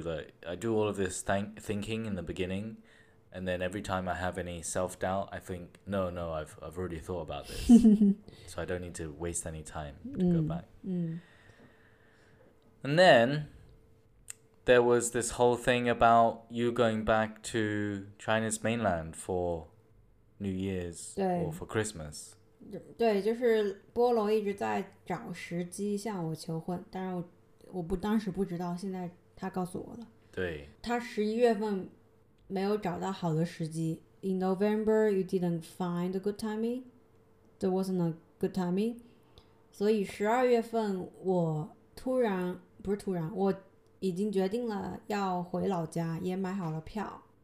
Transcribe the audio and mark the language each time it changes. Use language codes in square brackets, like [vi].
[en] Like, I do all of this thinking in the beginning. And then every time I have any self-doubt, I think, no, I've already thought about this. So I don't need to waste any time to go back. And then there was this whole thing about you going back to China's mainland for New Year's or for Christmas. [zh] 对，就是波罗一直在找时机向我求婚，但是我不当时不知道，现在他告诉我了。对，他十一月份没有找到好的时机。 [en] In November, you didn't find a good timing. There wasn't a good timing. [zh] 所以十二月份我突然，不是突然，我已经决定了要回老家，也买好了票。